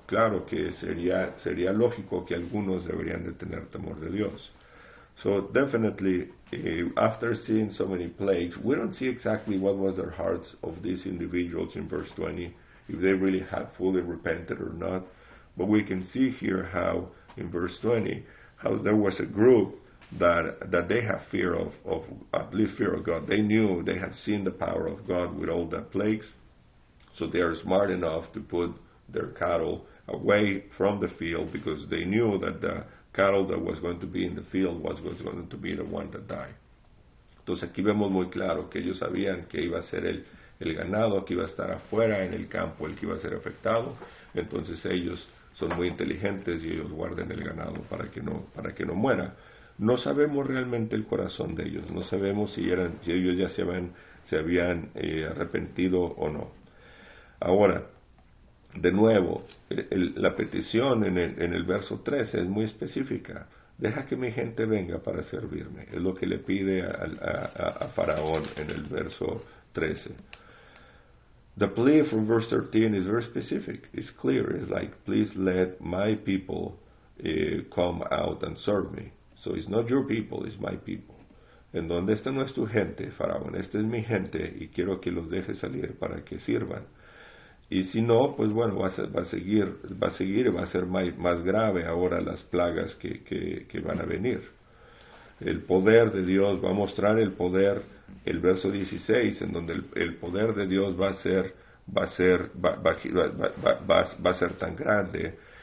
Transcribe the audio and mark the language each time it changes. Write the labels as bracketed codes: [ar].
[es] Claro que sería lógico que algunos deberían de tener temor de Dios. [en] So definitely, after seeing so many plagues, we don't see exactly what was their hearts of these individuals in verse 20, if they really had fully repented or not. But we can see here how in verse 20, how there was a group that they have fear of at least fear of God. They knew, they had seen the power of God with all the plagues. So they are smart enough to put their cattle away from the field because they knew that the cattle that was going to be in the field was going to be the one that died. [es] Entonces aquí vemos muy claro que ellos sabían que iba a ser el ganado que iba a estar afuera en el campo el que iba a ser afectado. Entonces ellos son muy inteligentes y ellos guardan el ganado para que no muera. No sabemos realmente el corazón de ellos. No sabemos si ellos ya se habían arrepentido o no. Ahora, de nuevo, la petición en el verso 13 es muy específica. Deja que mi gente venga para servirme. Es lo que le pide a Faraón en el verso 13. [en] The plea from verse 13 is very specific. It's clear. It's like, please let my people come out and serve me. So it's not your people, it's my people. [es] En donde esta no es tu gente, Faraón. Esta es mi gente y quiero que los deje salir para que sirvan. Y si no, pues bueno, va a seguir y va a ser más grave ahora las plagas que van a venir. El poder de Dios va a mostrar el poder, el verso 16, en donde el poder de Dios va a ser tan grande.